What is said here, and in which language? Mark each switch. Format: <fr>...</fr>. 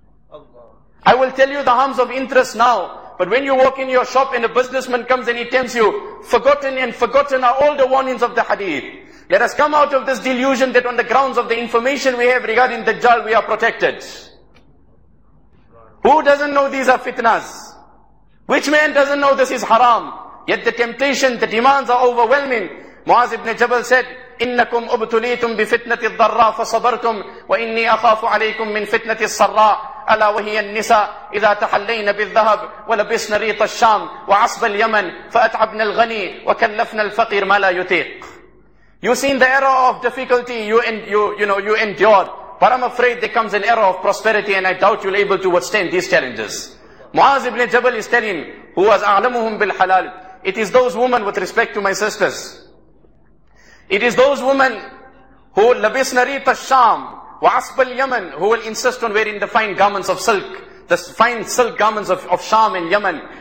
<en>Allah. I will tell you the harms of interest now. But when you walk in your shop and a businessman comes and he tempts you, forgotten and forgotten are all the warnings of the hadith. Let us come out of this delusion that on the grounds of the information we have regarding the Dajjal, we are protected. Who doesn't know these are fitnas? Which man doesn't know this is haram? Yet the temptation, the demands are overwhelming. Muaz ibn Jabal said,</en> <ar>إِنَّكُمْ أُبْتُلِيتُمْ بِفِتْنَةِ الضَّرَّى فَصَبَرْتُمْ وَإِنِّي أَخَافُ عَلَيْكُمْ مِنْ فِتْنَةِ السَّرَّى أَلَا وَهِيَ النِّسَاءُ إِذَا تَحَلَّيْنَ بِالذَّهَبِ وَلَبِسْنَ رِيطَ الشَّامِ وَعَصْبَ الْيَمَنِ فَأَتْعَبْنَا الْغَنِي وَكَلَّفْنَا الْفَقِيرَ مَا لَا يُطِيقُ.</ar> <en>You've seen the era of difficulty, you endured. But I'm afraid there comes an era of prosperity and I doubt you'll able to withstand these challenges. Muaz ibn Jabal is telling, who was</en> <ar>a'lamuhum bil halal,</ar> <en>it is those women with respect to my sisters. It is those women who</en> <ar>labisna rita sham wa asba al yaman,</ar> <en>who will insist on wearing the fine garments of silk, the fine silk garments of Sham and Yemen.</en>